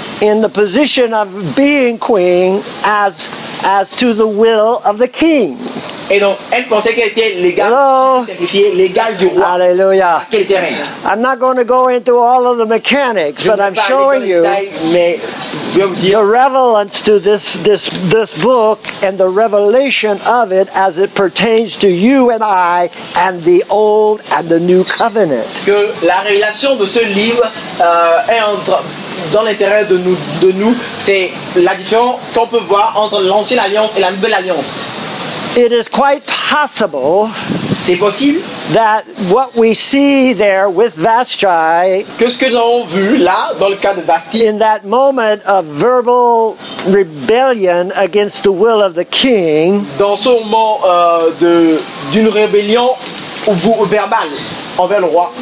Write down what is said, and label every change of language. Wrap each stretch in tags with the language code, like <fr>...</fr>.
<en>In the position of being queen as to the will of the king.</en> <fr>Et donc, elle pensait qu'elle était légale du roi. Hallelujah. Qu'elle était reine.</fr> <en>I'm not going to go into all of the mechanics, but I'm showing you the relevance to this book and the revelation of it as it pertains to you and I and the old and the new covenant.</en> <fr>Que la révélation de ce livre est entre dans l'intérêt de nous, c'est la différence qu'on peut voir entre l'ancienne alliance et la nouvelle alliance.</fr> <en>It is quite possible.</en> <fr>C'est possible</fr> <en>that what we see there with Vashti,</en> <fr>que ce que nous avons vu là dans le cas de Vashti,</fr> <en>in that moment of verbal rebellion against the will of the king,</en> <fr>dans ce moment d'une rébellion verbale envers le roi,</fr>